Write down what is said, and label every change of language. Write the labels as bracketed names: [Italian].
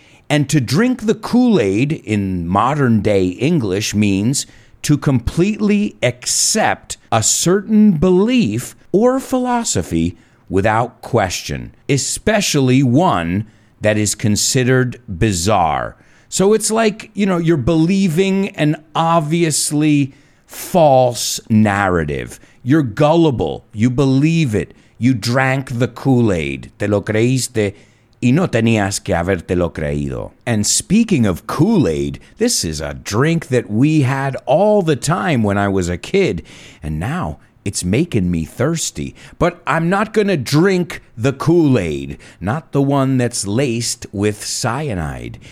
[English] And to drink the Kool-Aid in modern day English means to completely accept a certain belief or philosophy without question, especially one that is considered bizarre. So it's like, you know, you're believing an obviously false narrative. You're gullible. You believe it. You drank the Kool-Aid. [Spanish] Te lo creíste y no tenías que haberte lo creído. [English] And speaking of Kool-Aid, this is a drink that we had all the time when I was a kid. And now it's making me thirsty. But I'm not going to drink the Kool-Aid, not the one that's laced with cyanide.